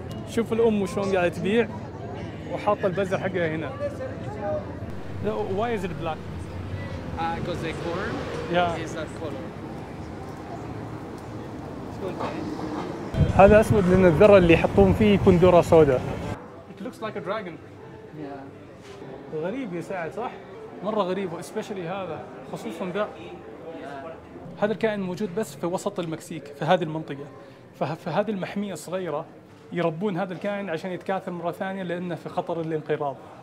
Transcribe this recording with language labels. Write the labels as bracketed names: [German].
[Arabic] شوف الأم وشون قاعدة تبيع وحاطة البزر حقها هنا. [English] Why is it black? Because the corn is that color. [Arabic] هذا أسود لأن الذرة اللي يحطون فيه يكون ذرة سودة. It looks like a dragon. Yeah. غريب يا سعد صح؟ مرة غريب، especially هذا خصوصا ذا. هذا الكائن موجود بس في وسط المكسيك في هذه المنطقة، ففي هذه المحمية الصغيرة يربون هذا الكائن عشان يتكاثر مرة ثانية لأنه في خطر الانقراض.